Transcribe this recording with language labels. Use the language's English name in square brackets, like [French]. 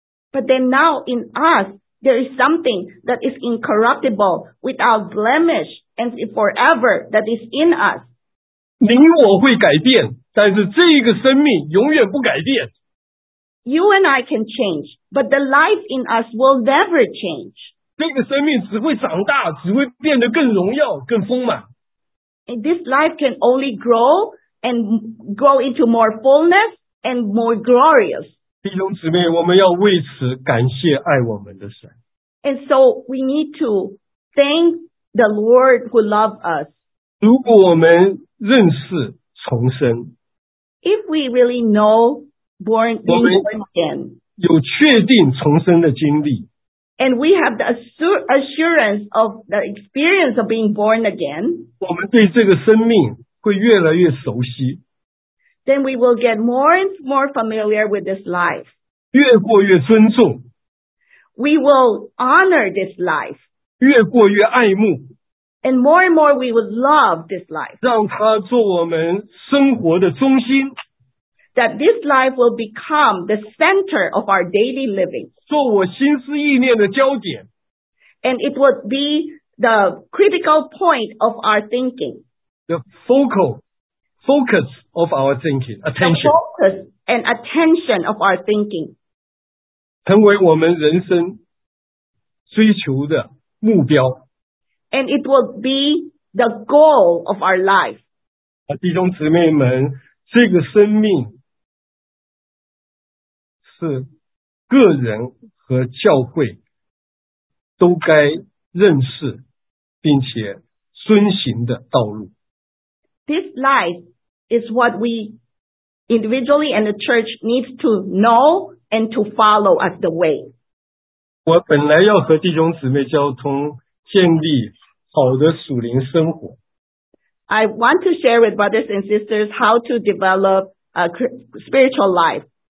[English] But then now in us, there is something that is incorruptible, without blemish, and forever that is in us. [Chinese] 你我会改变。但是这个生命永远不改变。 [English] You and I can change, but the life in us will never change. [Chinese] 这个生命只会长大，只会变得更荣耀，更丰满。 [English] And this life can only grow and grow into more fullness and more glorious. [Chinese] 弟兄姊妹，我们要为此感谢爱我们的神。 [English] And so we need to thank the Lord who loved us. [Chinese] 如果我们认识重生。 [English] If we really know being born again, [Chinese] 有确定重生的经历 [English] and we have the assurance of the experience of being born again, [Chinese] 我们对这个生命会越来越熟悉 [English] then we will get more and more familiar with this life, [Chinese] 越过越尊重 [English] we will honor this life, [Chinese] 越过越爱慕 [English] and more we will love this life, [Chinese] 让它做我们生活的中心。 [English] That this life will become the center of our daily living. [Chinese] 做我心思意念的焦点。 [English] And it will be the critical point of our thinking. The focus of our thinking, attention. The focus and attention of our thinking. [Chinese] 成为我们人生追求的目标。 [English] And it will be the goal of our life. [Chinese] 弟兄姊妹们，这个生命是个人和教会都该认识并且遵行的道路。 [English] This life is what we individually and the church needs to know and to follow as the way. [Chinese] 我本来要和弟兄姊妹交通，建立好的属灵生活。 [English] I want to share with brothers and sisters how to develop a spiritual life.